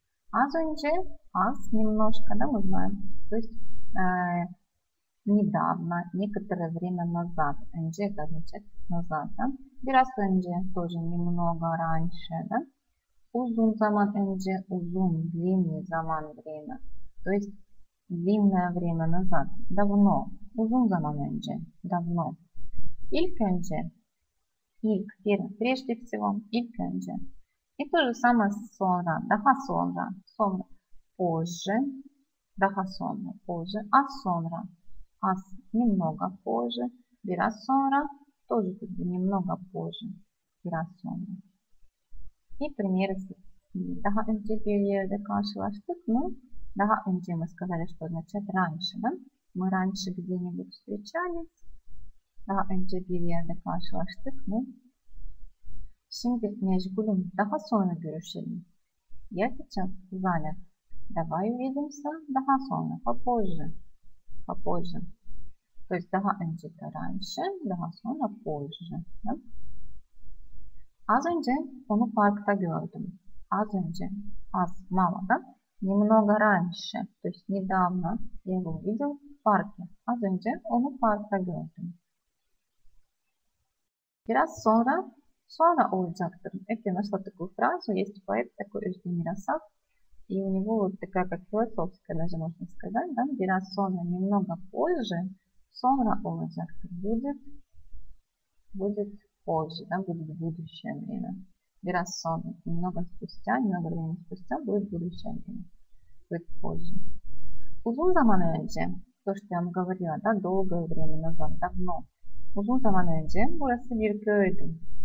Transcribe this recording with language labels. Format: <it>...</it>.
<tr>Az önce, az,</tr> <ru>немножко, да, мы знаем. То есть, недавно, некоторое время назад. Önce, это означает назад, да.</ru> <tr>Biraz önce,</tr> <ru>тоже немного раньше, да.</ru> <tr>Uzun zaman önce, uzun, длинный zaman, время.</tr> <ru>То есть, длинное время назад, давно.</ru> <tr>Uzun zaman önce,</tr> <ru>давно.</ru> <tr>İlk önce, ilk,</tr> <ru>прежде всего,</ru> <tr>ilk önce. И то же самое sonra, daha sonra, sonra, позже, daha sonra, позже, az sonra, az,</tr> <ru>немного позже,</ru> <tr>biraz sonra,</tr> <ru>тоже как бы немного позже,</ru> <tr>biraz sonra.</tr> <ru>И пример,</ru> <tr>daha önce bir yerde karşılaştık,</tr> <ru>но</ru> <tr>daha önce</tr> <ru>мы сказали, что означает раньше, да? Мы раньше где-нибудь встречались.</ru> <tr>Daha önce bir yerde karşılaştık mı? Şimdi meşgulüm. Daha sonra görüşelim.</tr> <ru>Я сейчас занят. Давай увидимся.</ru> <tr>Daha sonra.</tr> <ru>Попозже. Попозже. То есть</ru> <tr>daha önce de</tr> <ru>раньше.</ru> <tr>Daha sonra позже.</tr> <ru>Да?</ru> <tr>Az önce onu parkta gördüm. Az önce. Az.</tr> <ru>Мало, да? Немного раньше. То есть недавно я его увидел в парке.</ru> <tr>Az önce onu parkta gördüm. Biraz sonra, sonra olacaktır.</tr> <ru>Это нашла такую фразу. Есть поэт такой, Özgün Mirasal. И у него вот такая, как философская, даже можно сказать, да?</ru> <tr>Biraz sonra,</tr> <ru>немного позже,</ru> <tr>sonra olacaktır.</tr> <ru>Будет, будет позже, да? Будет будущее время. Biraz sonra, немного спустя, немного времени спустя, будет будущее время. Будет позже.</ru> <tr>Uzun zaman önce,</tr> <ru>то, что я вам говорила, да? Долгое время назад, давно.</ru> <tr>Uzun zaman önce burası bir köydü.</tr>